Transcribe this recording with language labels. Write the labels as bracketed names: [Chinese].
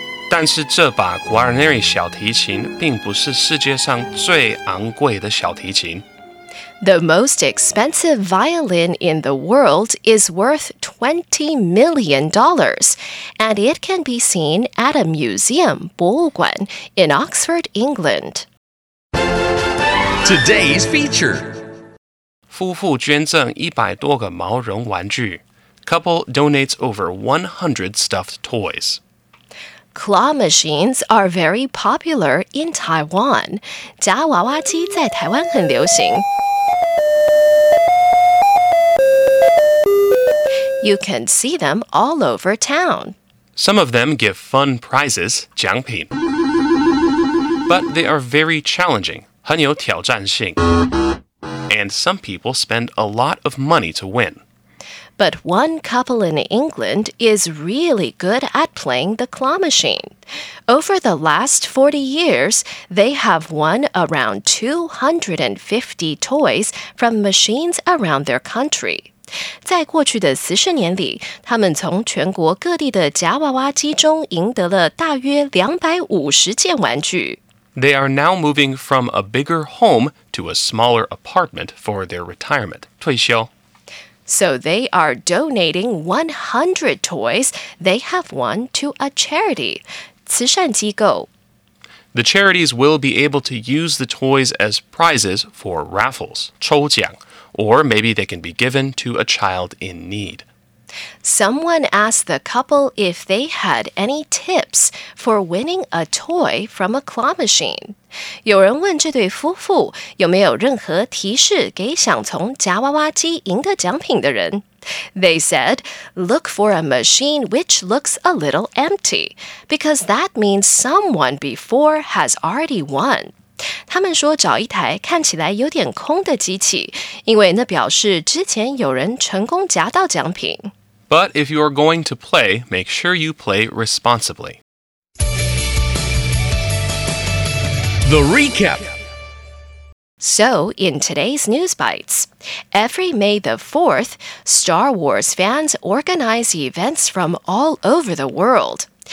[Chinese] 但是这把 Guarneri 小提琴并不是世界上最昂贵的小提琴。 [English] The most expensive violin in the world is worth $20 million, and it can be seen at a museum, 博物馆, in Oxford, England. Today's feature. [Chinese] 夫妇捐赠一百多个毛绒玩具。 [English] Couple donates over 100 stuffed toys. Claw machines are very popular in Taiwan. [Chinese] 夹娃娃机在台湾很流行。 [English] You can see them all over town. Some of them give fun prizes, 奖品.But they are very challenging, 很有挑战性. And some people spend a lot of money to win. But one couple in England is really good at playing the claw machine. Over the last 40 years, they have won around 250 toys from machines around their country. [Chinese] 在过去的40年里，他们从全国各地的夹娃娃机中赢得了大约250件玩具。 [English] They are now moving from a bigger home to a smaller apartment for their retirement. [Chinese] 退休。 [English] So they are donating 100 toys they have won to a charity. [Chinese] 慈善机构。 [English] The charities will be able to use the toys as prizes for raffles, 抽奖。 Or maybe they can be given to a child in need. Someone asked the couple if they had any tips for winning a toy from a claw machine. [Chinese] 有人问这对夫妇有没有任何提示给想从夹娃娃机赢得奖品的人。 [English] They said, look for a machine which looks a little empty, because that means someone before has already won. [Chinese] 他们说找一台看起来有点空的机器，因为那表示之前有人成功夹到奖品。 [English] But if you are going to play, make sure you play responsibly. The Recap. So, in today's News Bites, every May the 4th, Star Wars fans organize events from all over the world.